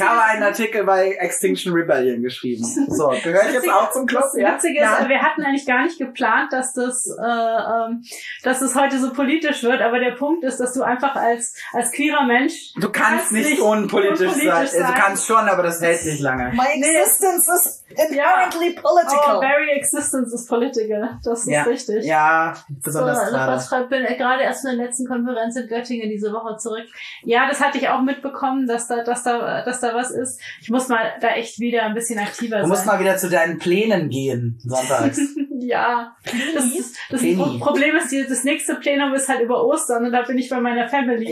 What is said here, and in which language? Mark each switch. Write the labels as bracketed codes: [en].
[de] habe einen Artikel bei Extinction Rebellion geschrieben. So, gehöre ich jetzt auch zum Club? Das Witzige ist, wir hatten eigentlich gar nicht geplant, dass das heute so politisch wird. Aber der Punkt ist, dass du einfach als queerer Mensch... Du kannst nicht unpolitisch sein. Du kannst schon, aber das hält nicht lange. [en] My existence is inherently political. Oh, very existence is political. [de] Das ist richtig. Ja, besonders gerade. Ich bin gerade erst von der letzten Konferenz in Göttingen diese Woche zurück. Ja, das hatte ich auch mitbekommen, dass da was ist. Ich muss mal da echt wieder ein bisschen aktiver sein. Du musst mal wieder zu deinen Plänen gehen, sonntags. Ja. Das Problem ist, das nächste Plenum ist halt über Ostern und da bin ich bei meiner Family.